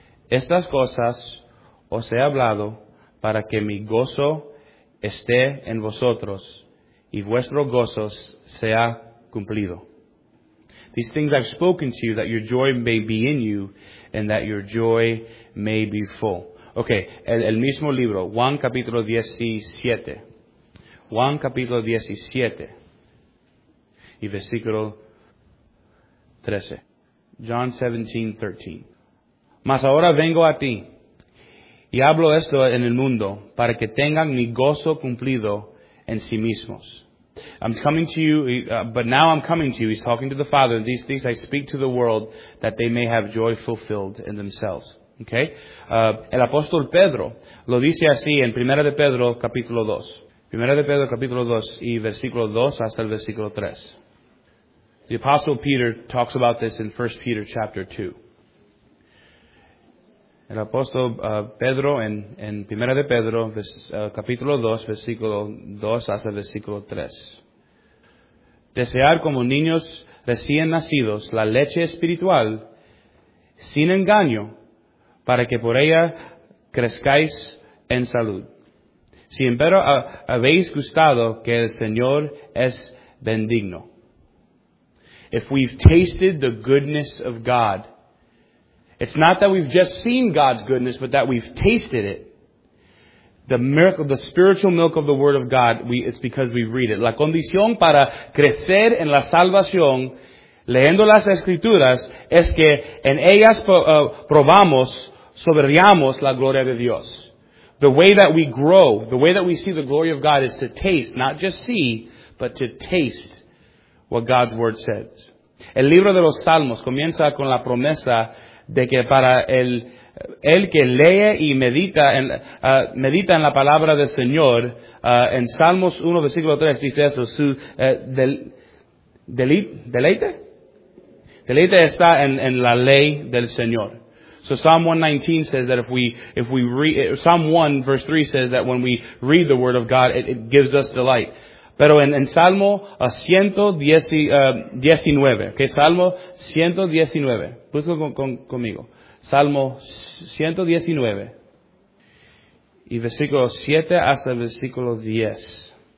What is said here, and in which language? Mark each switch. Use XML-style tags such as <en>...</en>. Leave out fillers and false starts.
<es>Estas cosas os he hablado para que mi gozo esté en vosotros y vuestro gozo sea cumplido.</es> <en>These things I've spoken to you that your joy may be in you and that your joy may be full.</en> <es>Okay, el mismo libro, Juan capítulo 17. Juan capítulo 17. Y versículo 13.</es> <en>John 17:13.</en> <es>Mas ahora vengo a ti, y hablo esto en el mundo, para que tengan mi gozo cumplido en sí mismos.</es> <en>I'm coming to you, but now I'm coming to you, he's talking to the Father, these things I speak to the world, that they may have joy fulfilled in themselves. Okay?</en> <es>El apóstol Pedro lo dice así en Primera de Pedro, capítulo 2. Primera de Pedro, capítulo 2, y versículo 2 hasta el versículo 3.</es> <en>The Apostle Peter talks about this in 1 Peter chapter 2.</en> <es>El apóstol Pedro en Primera de Pedro, capítulo 2, versículo 2 hasta versículo 3. Desear como niños recién nacidos la leche espiritual sin engaño para que por ella crezcáis en salud. Si empero habéis gustado que el Señor es bendigno.</es> <en>If we've tasted the goodness of God, it's not that we've just seen God's goodness, but that we've tasted it. The miracle, the spiritual milk of the Word of God, it's because we read it.</en> <es>La condición para crecer en la salvación, leyendo las Escrituras, es que en ellas probamos, sobreviamos la gloria de Dios.</es> <en>The way that we grow, the way that we see the glory of God is to taste, not just see, but to taste what God's Word says.</en> <es>El libro de los Salmos comienza con la promesa de que para el que lee y medita en la palabra del Señor, en Salmos 1, versículo 3, dice eso, su deleite? Deleite está en la ley del Señor.</es> <en>So Psalm 119 says that if we read, Psalm 1, verse 3 says that when we read the Word of God, it gives us delight.</en> <es>Pero en Salmo 119, que okay, Salmo 119, busca conmigo, Salmo 119, y versículo 7 hasta el versículo 10.</es>